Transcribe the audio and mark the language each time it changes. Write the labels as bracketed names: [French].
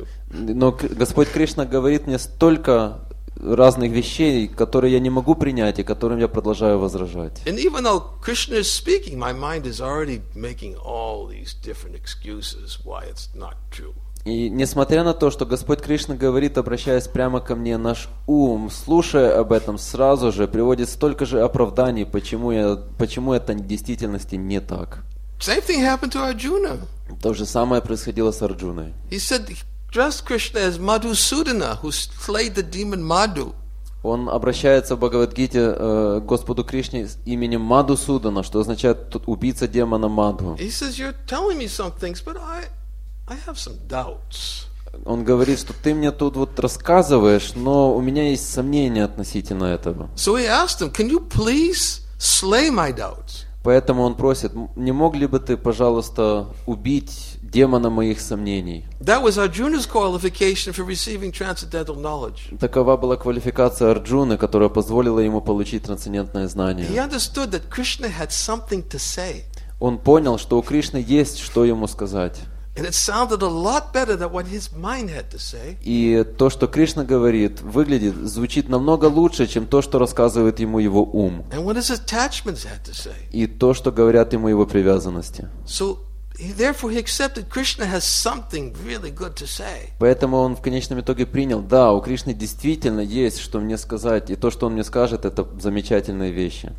[Russian] Но Господь Кришна говорит мне столько разных вещей, которые я не могу принять и которым я продолжаю возражать. [English] And even though Krishna is speaking, my mind is already making all these different excuses why it's not true. [Russian] И несмотря на то, что Господь Кришна говорит, обращаясь прямо ко мне, наш ум, слушая об этом, сразу же приводит столько же оправданий, почему это в действительности не так. [English] Same thing happened to Arjuna. [Russian] То же самое происходило с Арджуной. [English] He said, dressed Krishna as Madhusudana, who slayed the demon Madhu. [Russian] Он обращается в Бхагавадгите Господу Кришне с именем Мадхусудана, что означает убийца демона Мадху. [English] He says, "You're telling me some things, but I have some doubts." [Russian] Он говорит, что ты мне тут вот рассказываешь, но у меня есть сомнения относительно этого. [English] So he asked him, "Can you please slay my doubts?" [Russian] Поэтому он просит, не мог ли бы ты, пожалуйста, убить демона моих сомнений. [English] That was Arjuna's qualification for receiving transcendental knowledge. [Russian] Такова была квалификация Арджуны, которая позволила ему получить трансцендентное знание. [English] He understood that Krishna had something to say. [Russian] Он понял, что у Кришны есть что ему сказать. [English] And it sounded a lot better than what his mind had to say. [Russian] И то, что Кришна говорит, выглядит, звучит намного лучше, чем то, что рассказывает ему его ум. [English] And what his attachments had to say. [Russian] И то, что говорят ему его привязанности. [English] So therefore, he accepted Krishna has something really good to say. [Russian] Поэтому он в конечном итоге принял, да, у Кришны действительно есть что мне сказать, и то, что он мне скажет, это замечательные вещи.